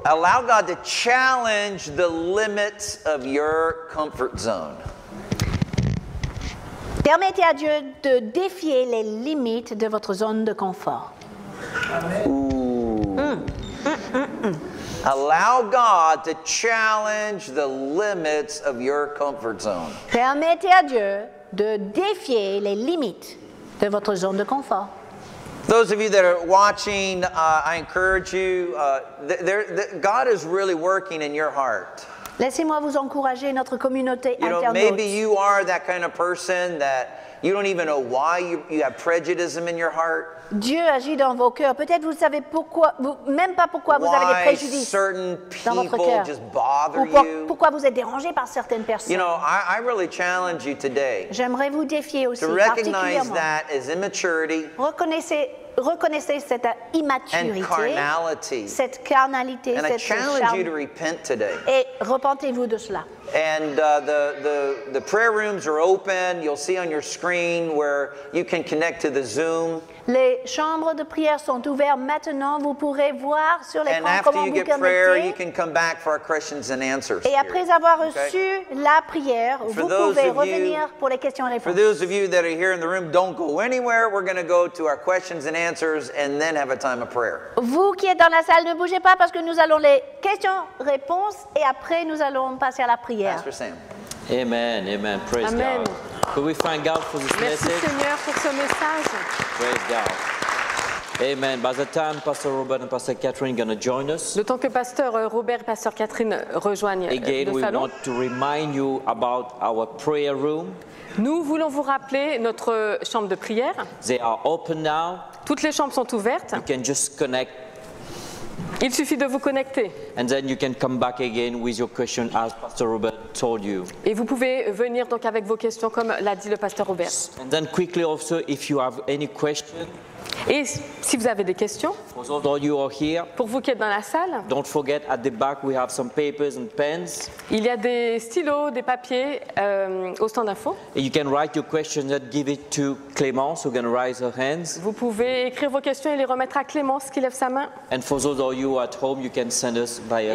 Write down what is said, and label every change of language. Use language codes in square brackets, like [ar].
[en] Allow God to challenge the limits of your comfort zone. [fr] Permettez à Dieu de défier les limites de votre zone de confort. [en] Amen. Allow God to challenge the limits of your comfort zone. [fr] Permettez à Dieu de défier les limites de votre zone de confort. [en] Those of you that are watching, I encourage you. God is really working in your heart. [fr] Laissez-moi vous encourager, notre communauté internaute. [en] Maybe you are that kind of person that you don't even know why you have prejudice in your heart. [fr] Dieu agit dans vos cœurs. Peut-être vous savez pourquoi, même pas pourquoi vous avez des préjudices. [en] Why certain people just bother [fr] ou [en] you? [fr] Pourquoi vous êtes dérangé par certaines personnes? [en] You know, I really challenge you today. [fr] J'aimerais vous défier aussi, [en] to recognize that as immaturity. [fr] Reconnaissez cette immaturité, [en] and carnality. [fr] Cette carnalité, [en] and [fr] cette [en] I challenge you to repent today. [fr] Et repentez-vous de cela. [en] And the prayer rooms are open. You'll see on your screen where you can connect to the Zoom. [fr] Les chambres de prière sont ouvertes maintenant. Vous pourrez voir sur l'écran comment vous connectez. [en] And after you get prayer, you can come back for our questions and answers. [fr] Et après avoir reçu la prière, vous pouvez revenir pour les questions et réponses. [en] For those of you that are here in the room, don't go anywhere. We're going to go to our questions and answers and then have a time of prayer. [fr] Vous qui êtes dans la salle, ne bougez pas parce que nous allons les questions réponses et après nous allons passer à la prière. [en] Pastor Sam. Amen, amen. Praise amen. God. Could we thank God for this [fr] Merci [en] message? [fr] Seigneur pour ce message. [en] Praise God. Amen. By the time Pastor Robert and Pastor Kathryn are going to join us. [fr] Le temps que Pasteur Robert et Pasteur Kathryn rejoignent le salon. [en] Again, we want to remind you about our prayer room. [fr] Nous voulons vous rappeler notre chambre de prière. [en] They are open now. [fr] Toutes les chambres sont ouvertes. [en] You can just connect. [fr] Il suffit de vous connecter. [en] And then you can come back again with your question as Pastor Robert told you. [fr] Et vous pouvez venir donc avec vos questions comme l'a dit le Pasteur Robert. [en] And then quickly also if you have any question. [fr] Et si vous avez des questions. [en] For those of you who are here. [fr] Pour vous qui êtes dans la salle. [en] Don't forget at the back we have some papers and pens. [fr] Il y a des stylos, des papiers au stand info. [en] You can write your questions and give it to Clémence who's going to raise her hands. [fr] Vous pouvez écrire vos questions et les remettre à Clémence qui lève sa main. [en] And for those of you at home you can send us via